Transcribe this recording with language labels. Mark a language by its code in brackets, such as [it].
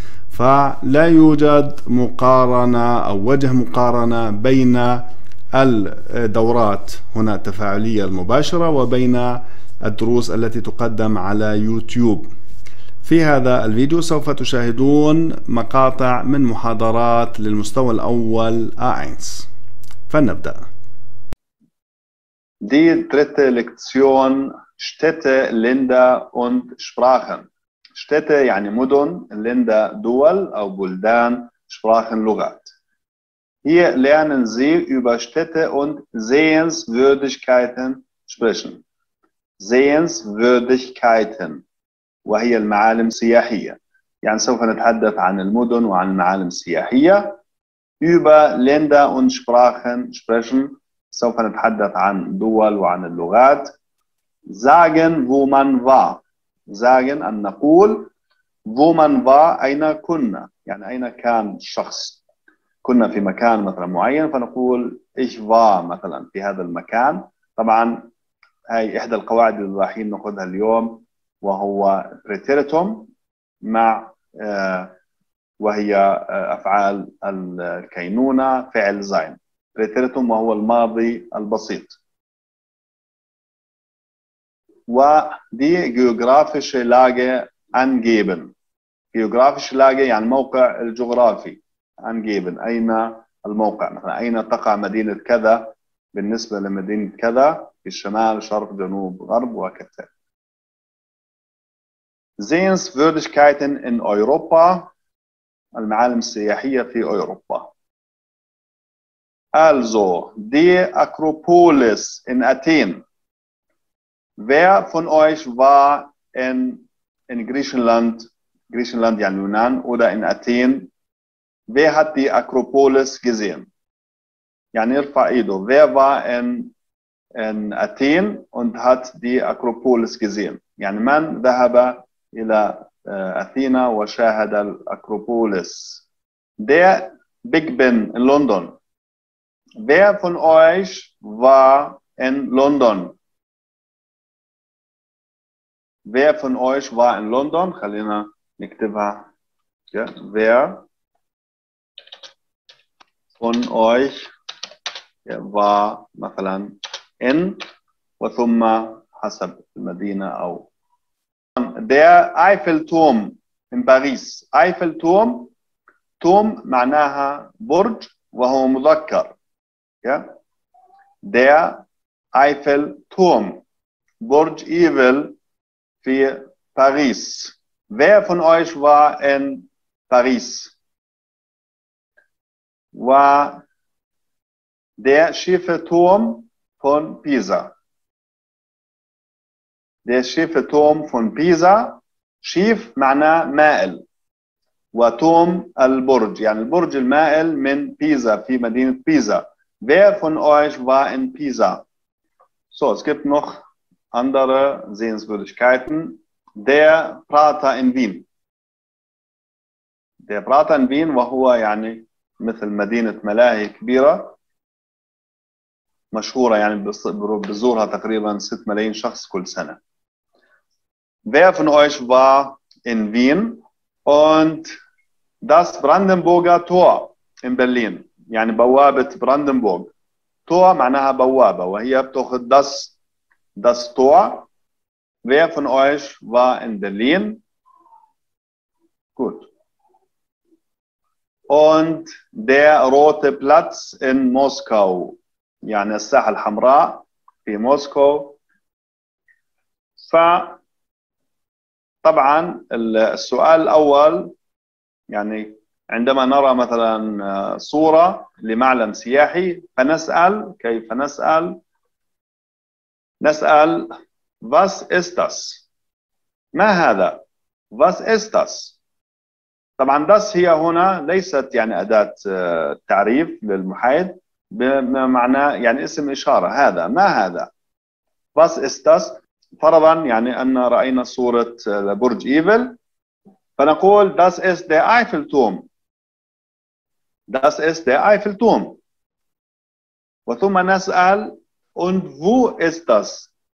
[ar] فلا يوجد مقارنة أو وجه مقارنة بين الدورات هنا التفاعلية المباشرة وبين الدروس التي تقدم على يوتيوب. في هذا الفيديو سوف تشاهدون مقاطع من محاضرات للمستوى الأول A1. فلنبدأ. [de] دي dritte Lektion: Städte, Länder und Sprachen. [ar] Städte يعني مدن، Länder دول أو بلدان، Sprachen لغات. [de] Hier lernen Sie über Städte und Sehenswürdigkeiten sprechen. [ar] Sehenswürdigkeiten. وهي المعالم السياحية. يعني سوف نتحدث عن المدن وعن المعالم السياحية. [de] Über Länder und Sprachen sprechen. [ar] سوف نتحدث عن دول وعن اللغات. [de] Sagen, wo man war. [ar] Sagen, أن نقول. [de] Wo man war, [ar] أين كنا. يعني أين كان الشخص. كنا في مكان مثلا معين فنقول [de] ich war [ar] مثلا في هذا المكان. طبعا هاي احدى القواعد اللي رايحين ناخذها اليوم، وهو بريتيريتوم مع وهي افعال الكينونه فعل sein. بريتيريتوم وهو الماضي البسيط. [de] ودي جيوغرافيشه لاجه انجيبن. جيوغرافيشه لاجه [ar] يعني موقع الجغرافي. Angeben, أين الموقع؟ مثلا أين تقع مدينة كذا بالنسبة لمدينة كذا في الشمال، شرق، جنوب، غرب وكذا. [de] Sehenswürdigkeiten in Europa. [ar] المعالم السياحية في أوروبا. [de] Also, die Akropolis in Athen. Wer von euch war in Griechenland, Griechenland [ar] يعني اليونان، [de] oder in Athen? Wer hat die Akropolis gesehen? [ar] يعني ارفع ايده. [de] Wer war in Athen und hat die Akropolis gesehen? [ar] يعني من ذهب الى اثينا وشاهد الاكروبوليس. [de] Der Big Ben in London. Wer von euch war in London? Wer von euch war in London? [ar] خلينا نكتبها. [de] Wer von euch war مثلا in [ar] وثم حسب المدينة أو [de] der Eiffelturm in Paris. Eiffelturm [ar] توم معناها برج وهو مذكر. [de] Der Eiffelturm, [ar] Burj Eiffel في باريس. [de] Wer von euch war in Paris? War der schiefe Turm von Pisa. Der schiefe Turm von Pisa. [ar] Schief معناه مائل. وتوم البرج يعني البرج المائل من بيزا في مدينة بيزا. [de] Wer von euch war in Pisa? So, es gibt noch andere Sehenswürdigkeiten. Der Prater in Wien. Der Prater in Wien, [ar] وهو يعني مثل مدينة ملاهي كبيرة مشهورة يعني بزورها تقريبا 6 ملايين شخص كل سنة. [de] Wer von euch war in Wien? Und das Brandenburger Tor in Berlin. [ar] يعني بوابة براندنبورغ. Tor معناها بوابة وهي بتاخد [de] das Tor. Wer von euch war in Berlin? Gut. Und der rote Platz in Moskau. [ar] يعني الساحة الحمراء في موسكو. طبعاً السؤال الأول يعني عندما نرى مثلاً صورة لمعلم سياحي فنسأل كيف نسأل [de] Was ist das؟ [ar] ما هذا؟ Was ist das؟ طبعاً das هي هنا ليست يعني أداة تعريف للمحايد بمعنى يعني اسم إشارة هذا ما هذا؟ Was ist das؟ فرضاً يعني أن رأينا صورة برج إيفل فنقول [de] Das ist der Eiffelturm. Das ist der Eiffelturm. [ar] وثم نسأل [de] Und wo ist das?